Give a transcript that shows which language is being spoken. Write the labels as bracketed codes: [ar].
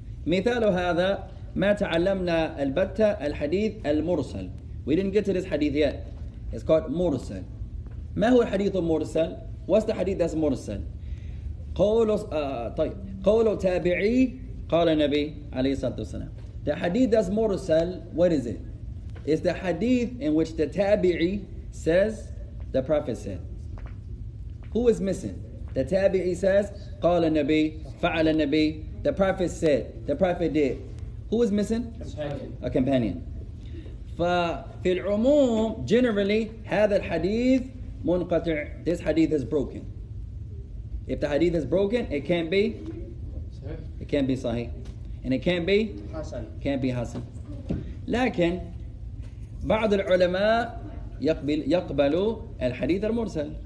[ar] مثال هذا ما تعلمنا البتة الحديث المرسل. [en] We didn't get to this hadith yet. It's called مرسل. [ar] ما هو الحديث المرسل? [en] What's the hadith that's مرسل? [ar] قولوا تابعي قال النبي عليه الصلاة والسلام. [en] The hadith that's mursal, what is it? It's the hadith in which the tabi'i says the prophet said. Who is missing? The tabi'i says [ar] قال النبي فعل النبي. [en] The prophet said. The prophet did. Who is missing? Companion. A companion. [ar] ففي العموم generally هذا الحديث منقطع. [en] This hadith is broken. If the hadith is broken, it can't be. It can't be sahih, and it can't be hasan. Can't be hasan. [ar] لكن بعض العلماء يقبلوا الحديث المرسل.